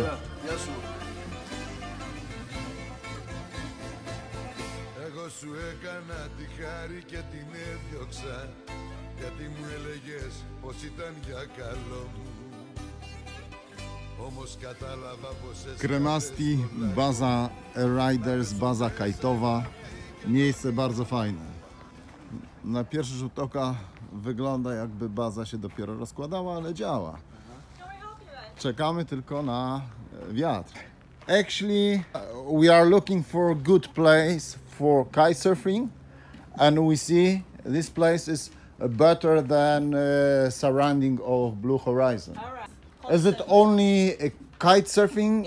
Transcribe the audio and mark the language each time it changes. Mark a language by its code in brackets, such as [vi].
[el] Εγώ σου έκανα τη χάρη και την έδιωξα, γιατί μου έλεγες πως ήταν για καλό μου. Όμως κατάλαβα πως εσύ... [pl] Κρεμάστη, μπάζα Riders, μπάζα Kajtowa. Miejsce bardzo fajne. Na pierwszy rzut oka wygląda, jakby baza się dopiero rozkładała, ale działa. Czekamy tylko na wiatr. [en] Actually, we are looking for a good place for kitesurfing, and we see this place is better than surrounding of Blue Horizon. All right. Is it only kitesurfing?